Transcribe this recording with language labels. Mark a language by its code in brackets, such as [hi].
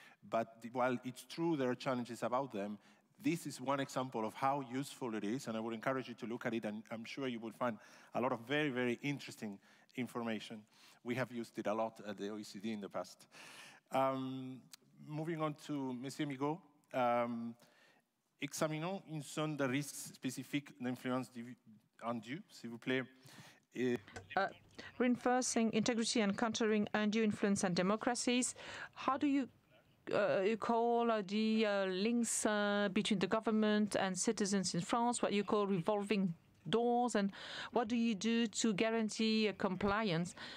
[en] But while it's true there are challenges about them, this is one example of how useful it is, and I would encourage you to look at it, and I'm sure you would find a lot of very, very interesting information. We have used it a lot at the OECD in the past. Moving on to Monsieur Migaud. [fr] Examinons une zone de risque spécifique d'influence undue, s'il vous plaît. [en] Reinforcing integrity and countering undue influence on democracies. How do you you call the links between the government and citizens in France, what you call revolving doors, and what do you do to guarantee compliance?